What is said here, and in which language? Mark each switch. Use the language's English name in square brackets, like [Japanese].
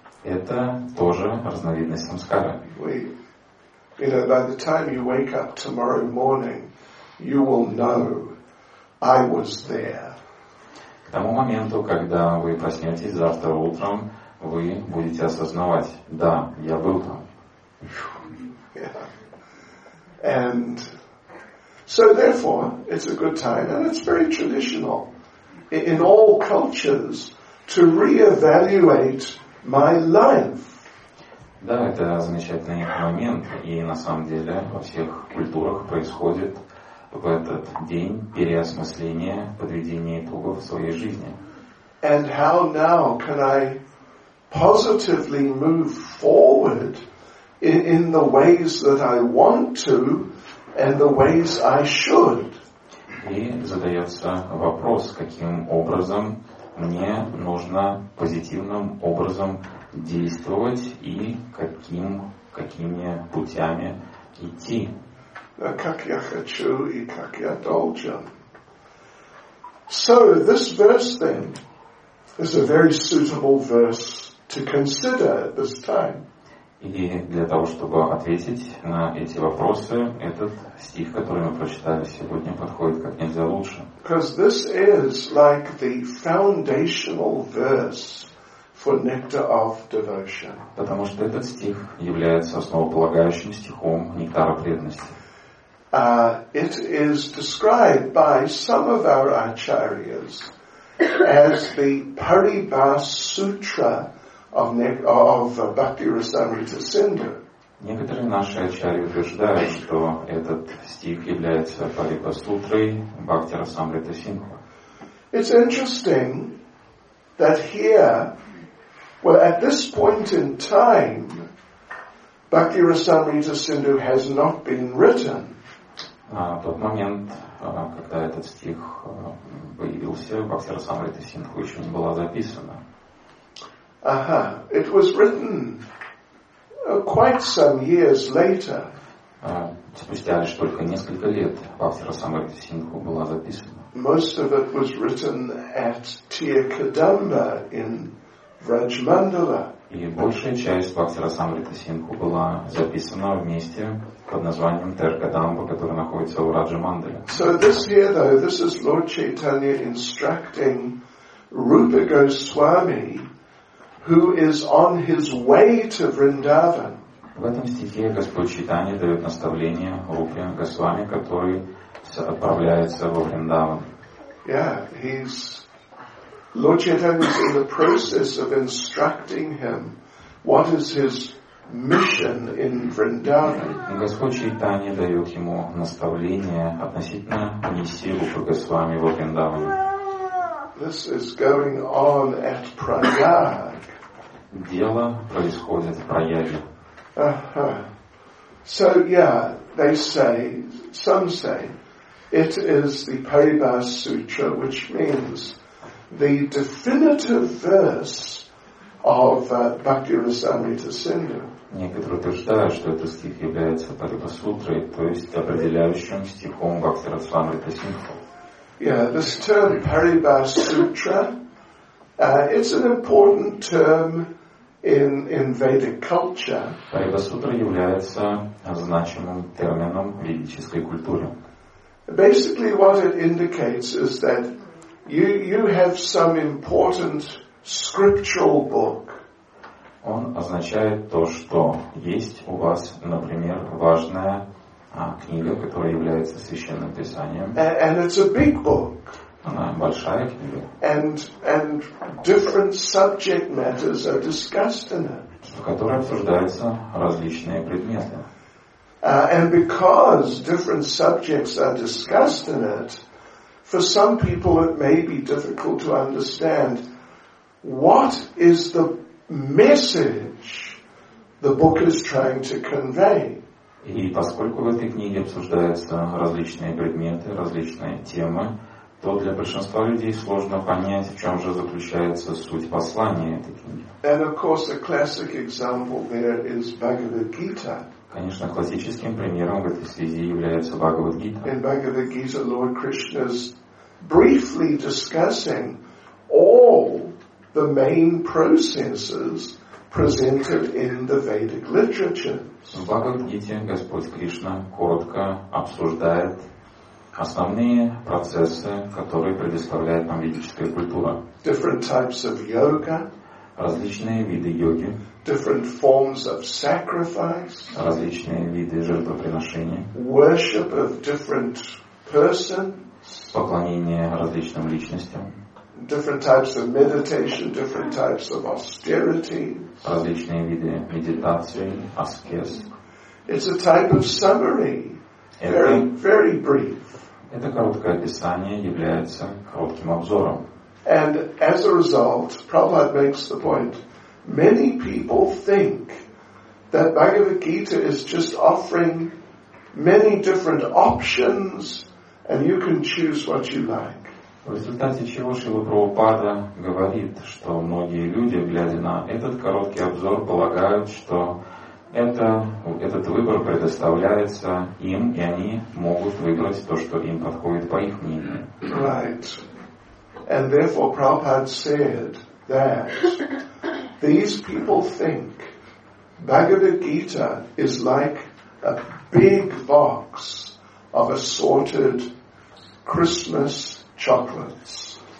[Russian] Это тоже разновидность самскары. [English] By the time you wake up tomorrow morning, you will know I was there. [Russian] К тому моменту, когда вы проснетесь завтра утром, вы будете осознавать: да, я был там. [English] And so therefore, it's a good time, and it's very traditional in all cultures to reevaluate my life. [Russian] Да, это замечательный момент, и на самом деле во всех культурах происходит в этот день переосмысление, подведение итогов своей жизни. [English] And how now can I positively move forward in the ways that I want to and the ways I should? [Russian] И задается вопрос, каким образом мне нужно позитивным образом действовать и какими путями идти. Как я хочу и как я должен. [English] So this verse then is a very suitable verse to consider at this time. [Russian] И для того, чтобы ответить на эти вопросы, этот стих, который мы прочитали сегодня, подходит как нельзя лучше. [English] Because this is like the foundational verse for nectar of devotion. [Russian] Потому что этот стих является основополагающим стихом нектара преданности. [English] It is described by some of our acharyas as the Paribhas Sutra of Bhakti Rasamrita Sindhu. [Russian] Некоторые наши ачарьи утверждают, что этот стих является Парибхас Сутрой Бхакти Расамрита Сингху. [English] It's interesting that here, well, at this point in time, Bhakti Rasamrita Sindhu has not been written. [Russian] Тот момент, когда этот стих появился, Бхакти Расамрита Сингху еще не была записана. [English] It was written quite some years later. [Russian] Спустя лишь только несколько лет Бхакти Расамрита Сингху была записана. [English] Most of it was written at Tir Kadamba in Vrajmandala. [Russian] И большая часть Бхакти Расамрита Сингху была записана в месте под названием Тир Кадамба, который находится в Враджамандале. [English] So this here though, this is Lord Chaitanya instructing Rupa Goswami, who is on his way to Vrindavan. [Russian] В этом стихе Господь Чайтанья дает наставление Рупе Госвами, который отправляется во Вриндаван. [English] Yeah, he's Lord Chaitanya is in the process of instructing him what is his mission in Vrindavan. [Russian] Господь Чайтанья дает ему наставление относительно миссии Рупы Госвами во Вриндаване. [English] This is going on at Prayag. [Russian] Дело происходит в Прояге. [English] So yeah, they say, some say, it is the Paribhas Sutra, which means the definitive verse of Bhakti Rasamrita Sindhu. [Russian] Некоторые утверждают, что этот стих является Парибасутрой, то есть определяющим стихом Бхакти Расамрита Синдху. [English] Yeah, this term Parivasutra, it's an important term in Vedic culture. [Russian] Парибасутра является значимым термином в ведической культуре. [English] Basically, what it indicates is that you have some important scriptural book. [Russian] Он означает то, что есть у вас, например, важная книга, которая является священным писанием. [English] And it's a big book. [Russian] Она большая книга. [English] And different subject matters are discussed in it. [Russian] В которой обсуждаются различные предметы. [English] And because different subjects are discussed in it, for some people it may be difficult to understand what is the message the book is trying to convey. [Russian] И поскольку в этой книге обсуждаются различные предметы, различные темы, то для большинства людей сложно понять, в чем же заключается суть послания этой книги. [English] And of course, a classic example there is Bhagavad Gita. [Russian] Конечно, классическим примером в этой связи является Бхагавад Гита. [English] In Bhagavad Gita, Lord Krishna is briefly discussing all the main processes presented in the Vedic literature. [Russian] В Бхагавад Гите Господь Кришна коротко обсуждает основные процессы, которые предоставляет нам ведическая культура. [English] Different types of yoga. [Russian] Различные виды йоги. [English] Different forms of sacrifice. [Russian] Различные виды жертвоприношения. [English] Worship of different persons. [Russian] Поклонение различным личностям. [English] Different types of meditation, different types of austerity. [Russian] Различные виды медитации, аскез. [English] It's a type of summary. Very, very brief. [Russian] Это короткое описание является коротким обзором. [English] And as a result, Prabhupada makes the point, many people think that Bhagavad Gita is just offering many different options and you can choose what you like. [Russian] В результате чего Шрила Прабхупада говорит, что многие люди, глядя на этот короткий обзор, полагают, что этот выбор предоставляется им, и они могут выбрать то, что им подходит по их мнению. [English] Right. And therefore Prabhupada said that these people think Bhagavad Gita is like a big box of assorted Christmas chocolates.